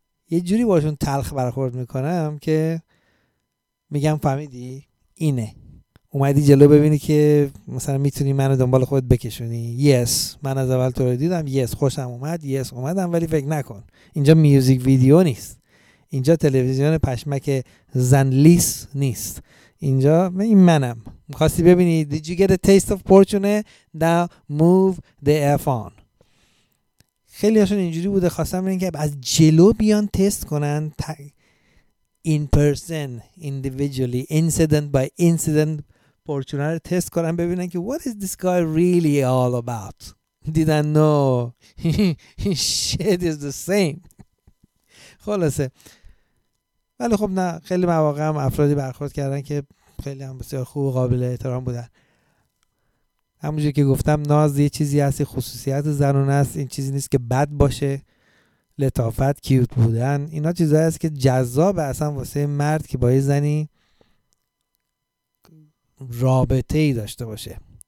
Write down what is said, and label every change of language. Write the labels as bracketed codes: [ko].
[fa] یه جوری باشون تلخ برخورد میکنم که میگم فهمیدی؟ اینه، اومدی جلو ببینی که مثلا میتونی منو دنبال خود بکشونی. yes، من از اول تو رو دیدم، yes خوشم اومد، yes اومدم، ولی فکر نکن اینجا میوزیک ویدیو نیست، اینجا تلویزیون پشمک زنلیس نیست، اینجا این منم. میخواستی ببینی [en] did you get a taste of fortune now move the F on. [fa] خیلی هاشون اینجوری بوده، خواستم ببینی که از جلو بیان تست کنن [en] in person individually incident by incident fortune [fa] رو تست کنن ببینن که [en] what is this guy really all about. didn't know shit is the same. [fa] خلاصه ولی خب نه، خیلی مواقع هم افرادی برخورد کردن که خیلی هم بسیار خوب و قابل احترام بودن. همونجور که گفتم ناز یه چیزی هست، خصوصیت زنون هست، این چیزی نیست که بد باشه. لطافت، کیوت بودن، اینا چیزایی هست که جذابه اصلا واسه مرد که با یه زنی رابطه ای داشته باشه.